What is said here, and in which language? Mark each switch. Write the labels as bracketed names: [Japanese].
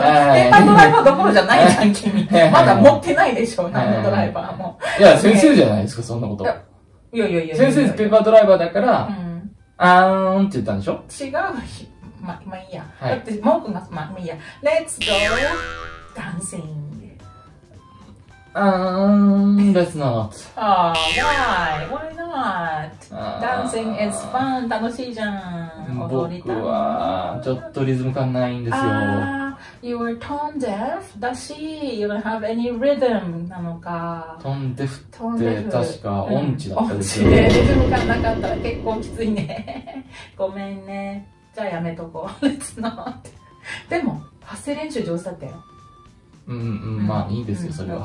[Japanese] ペーパードライバーどころじゃないじゃん、君。まだ持ってないでしょ、何のドライバーも。いや、先生じゃないですか、そんなこと。いやいやいや。先生、ペーパードライバーだから、あーんって言ったんでしょ？違う。まあいいや。だって、文句が、まあいいや。 [English] Let's go dancing. あーん、Let's not. あー、why not? ダンシング is fun! [Japanese] 楽しいじゃん、踊りたい。僕はちょっとリズム感ないんですよ。 [English] You are tone deaf [Japanese] だし、 [English] You don't have any rhythm [Japanese] なのか。 tone deaf って確か音痴だったですよ。音痴でリズム感なかったら結構きついね。ごめんね。じゃあやめとこう。 [English] Let's not. [Japanese] でも、発声練習上手だったよ。まあいいですよ、それは。